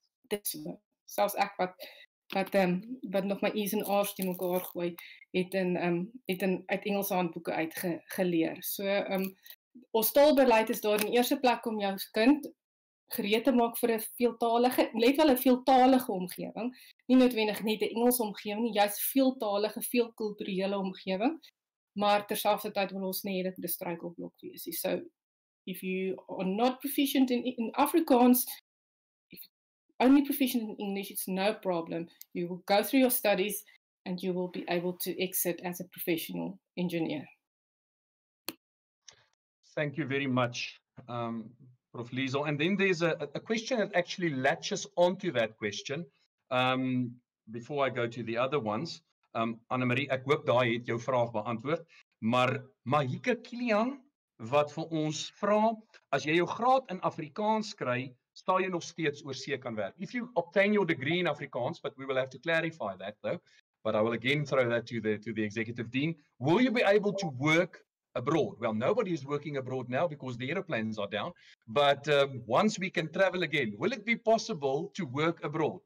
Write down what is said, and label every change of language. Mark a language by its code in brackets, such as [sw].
[af] Dis selfs ek wat nog my E's en R's te mekaar gooi, het in Engelse handboeke uitgeleer. So ons taalbeleid is daar in eerste plek om jou kind gereed te maak vir 'n veeltalige, let wel 'n veeltalige omgewing, nie noodwendig net 'n Engelse omgewing nie, juist veeltalige, veelkulturele omgewing. Maar terselfdertyd wil ons nie hê dit moet 'n struikelblok wees nie. [en] So if you are not proficient in Afrikaans, if only proficient in English, it's no problem. You will go through your studies and you will be able to exit as a professional engineer. Thank you very much, Prof. Liezl. And then there's a question that actually latches onto that question. Before I go to the other ones, [af] Annemarie, ek hoop daai het jou vraag beantwoord. Maar Mahika Kilian, wat vir ons vra, as jy jou graad in Afrikaans kry, sal jy nog steeds oor see kan werk. [en] If you obtain your degree in Afrikaans, but we will have to clarify that though, but I will again throw that to the executive dean, will you be able to work abroad? Well, nobody is working abroad now because the aeroplanes are down, but once we can travel again, will it be possible to work abroad?